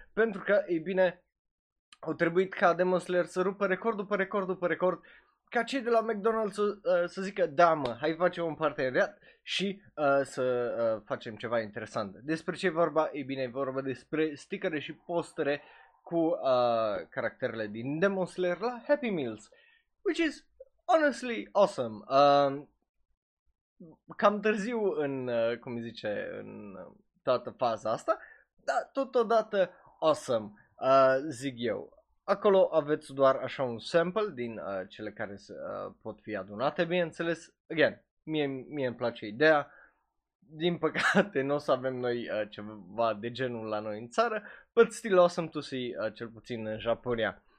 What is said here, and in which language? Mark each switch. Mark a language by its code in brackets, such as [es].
[ro] Pentru că, ei bine, au trebuit ca Demon Slayer să rupă record după record după record, ca cei de la McDonald's să zică, da mă, hai facem un parteneriat și să facem ceva interesant. Despre ce e vorba? Ei bine, e vorba despre stickere și postere cu caracterele din Demon Slayer la Happy Meals. [en] Which is honestly awesome. [ro] Cam târziu în, cum zice, în toată faza asta, dar totodată awesome, zic eu. Acolo aveți doar așa un sample din cele care pot fi adunate, bineînțeles. Again, mie îmi place ideea. Din păcate, nu o să avem noi ceva de genul la noi în țară, [en] but still awesome to see, [ro] cel puțin în Japonia.